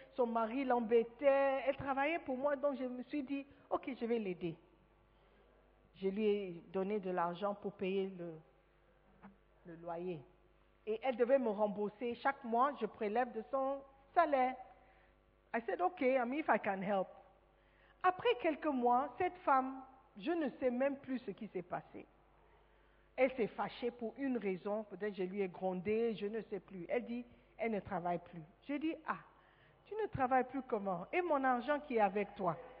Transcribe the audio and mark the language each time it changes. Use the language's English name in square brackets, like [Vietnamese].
[French] Son mari l'embêtait. Elle travaillait pour moi, donc je me suis dit, ok, je vais l'aider. Je lui ai donné de l'argent pour payer le loyer. Et elle devait me rembourser. Chaque mois, je prélève de son salaire. [English] I said, ok, I mean, if I can help. [French] Après quelques mois, cette femme, je ne sais même plus ce qui s'est passé. Elle s'est fâchée pour une raison, peut-être je lui ai grondé, je ne sais plus. Elle dit, elle ne travaille plus. J'ai dit, ah, tu ne travailles plus comment? Et mon argent qui est avec toi?